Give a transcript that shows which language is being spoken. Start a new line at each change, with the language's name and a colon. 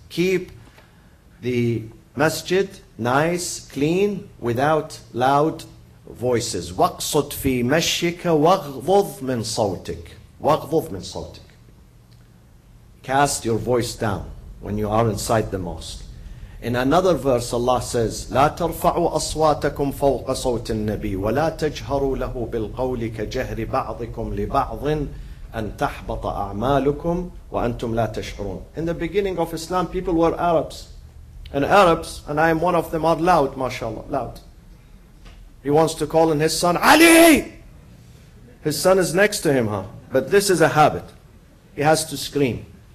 English: Keep the masjid nice, clean, without loud voices.
Arabic: وَقْصُدْ فِي مَشِّكَ وَغْضُضْ مِنْ صَوْتِكَ وَغْضُضْ مِنْ صَوْتِكَ.
English: Cast your voice down when you are inside the mosque. In another verse, Allah says,
Arabic: لَا تَرْفَعُوا أَصْوَاتَكُمْ فَوْقَ صَوْتِ النَّبِيِّ وَلَا تَجْهَرُوا لَهُ بِالْقَوْلِ كَجَهْرِ بَعْضِكُمْ لِبَعْضٍ أَنْ تَحْبَطَ أَعْمَالُكُمْ وَأَنْتُمْ لَا تَشْعُرُونَ.
English: In the beginning of Islam, people were Arabs. And Arabs, and I am one of them, are loud, mashallah, loud. He wants to call in his son, Ali! His son is next to him, huh? But this is a habit. He has to scream.